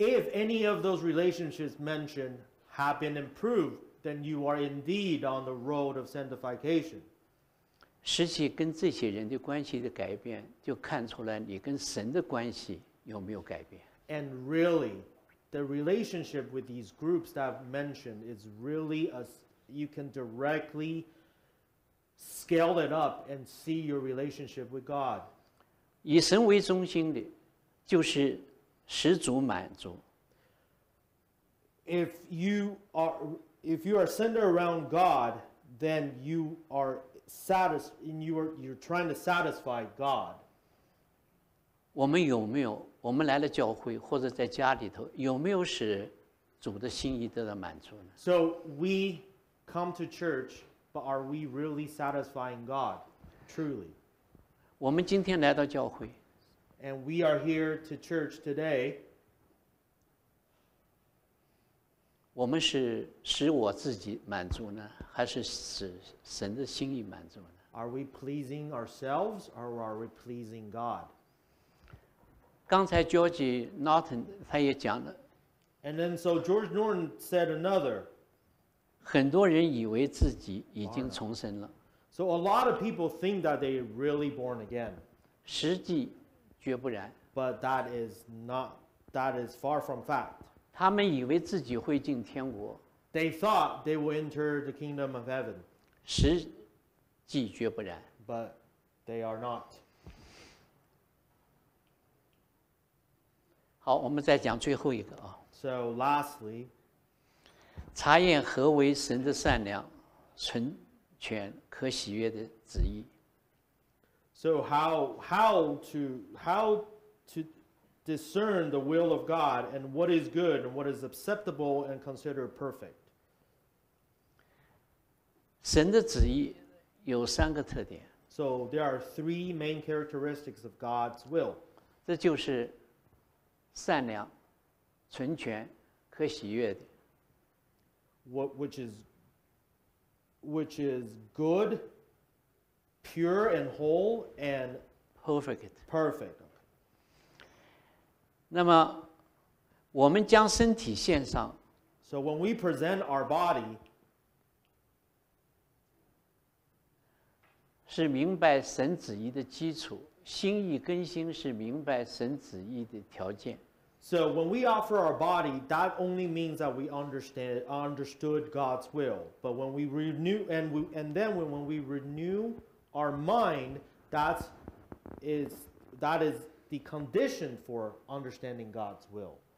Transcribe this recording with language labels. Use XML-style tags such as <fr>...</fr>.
<en>If any of those relationships mentioned have been improved,then you are indeed on the road of sanctification.</en> <zh>实际跟这些人的关系的改变就看出来你跟神的关系有没有改变。</zh> <en>And really, the relationship with these groups that I've mentioned is really, you can directly scale it up and see your relationship with God.</en> <zh>以神为中心的就是十足满足。</zh> <en>If you are centered around God, then you are satisfied, and you're trying to satisfy God.</en> <zh>我们有没有，我们来了教会或者在家里头，有没有使主的心意得到满足呢？</zh> <en>So we come to church, but are we really satisfying God, truly?</en> <zh>我们今天来到教会。</zh> <en>And we are here to church today.</en> <zh>我们是使我自己满足呢，还是使神的心意满足呢？</zh> <en>Are we pleasing ourselves or are we pleasing God?</en> <zh>刚才 George Norton 他也讲了。</zh> <en>And then so George Norton said another.</en> <zh>很多人以为自己已经重生了。</zh> <en>So a lot of people think that they really born again.</en> <zh>实际绝不然。</zh> <en>But that is not, that is far from fact.</en> <zh>他们以为自己会进天国。</zh> <en>They thought they would enter the kingdom of heaven.</en> <zh>实际绝不然。</zh> <en>But they are not.</en> <zh>好，我们再讲最后一个啊。</zh> <en>So lastly,</en> <zh>查验何为神的善良、纯全、可喜悦的旨意。</zh> <en>So how to discern the will of God and what is good and what is acceptable and considered perfect?</en> <zh>神的旨意有三个特点。</zh> <en>So there are three main characteristics of God's will.</en> <zh>这就是。善良、纯全、可喜悦的。</zh> <en>What, which is good, pure and whole and perfect. Perfect.</en> <zh>那么，我们将身体献上。</zh> <en>So when we present our body,</en> <zh>是明白神旨意的基础。心意更新是明白神旨意的条件。</zh> <en>So when we offer our body, that only means that we understood God's will. But when we renew, and then when we renew our mind, that is the condition for understanding God's will.</en>